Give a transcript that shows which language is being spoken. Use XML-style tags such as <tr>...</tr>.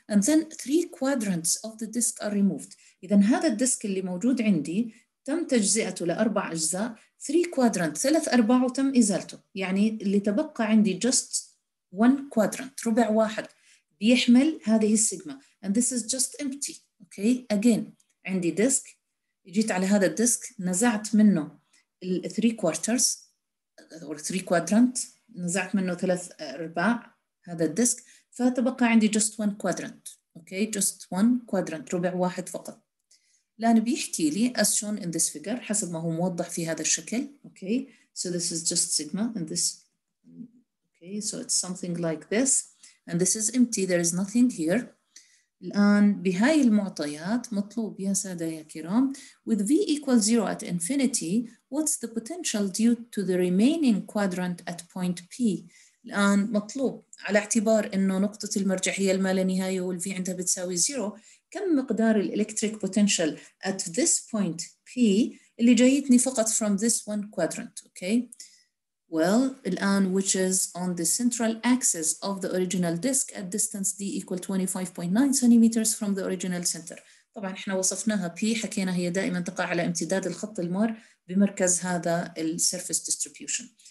<en>And then three quadrants of the disk are removed.</en> <ar>إذن هذا الديسك اللي موجود عندي تم تجزئته لأربع أجزاء.</ar> <en>Three quadrants.</en> <ar>ثلاث أربع وتم إزالته. يعني اللي تبقى عندي</ar> <en>just one quadrant.</en> <ar>ربع واحد. بيحمل هذه السيجما.</ar> <en>And this is just empty. Okay, again,</en> <ar>عندي ديسك. جيت على هذا الديسك. نزعت منه الـ</ar> <en>three quarters or three quadrant.</en> <ar>نزعت منه ثلاث أرباع هذا الديسك. فتبقى عندي</ar> <en>just one quadrant. Okay, just one quadrant.</en> <ar>ربع واحد فقط. لأن بيحكي لي</ar> <en>as shown in this figure.</en> <ar>حسب ما هو موضح في هذا الشكل.</ar> <en>Okay, so this is just sigma. And this, okay, so it's something like this. And this is empty. There is nothing here.</en> <ar>الآن بهاي المعطيات مطلوب يا سادة يا كرام</ar> <en>with V equals 0 at infinity what's the potential due to the remaining quadrant at point P.</en> <ar>الآن مطلوب على اعتبار أنه نقطة المرجحية المالنهاية وال V عندها بتساوي 0 كم مقدار الإلكتريك potential</ar> <en>at this point P</en> <ar>اللي جايتني فقط</ar> <en>from this one quadrant. Okay. Well,</en> <ar>الآن</ar> <en>which is on the central axis of the original disk at distance D equal 25.9 centimeters from the original center.</en> <ar>طبعاً إحنا وصفناها P حكينا هي دائماً تقع على امتداد الخط المار بمركز هذا ال surface distribution.</ar>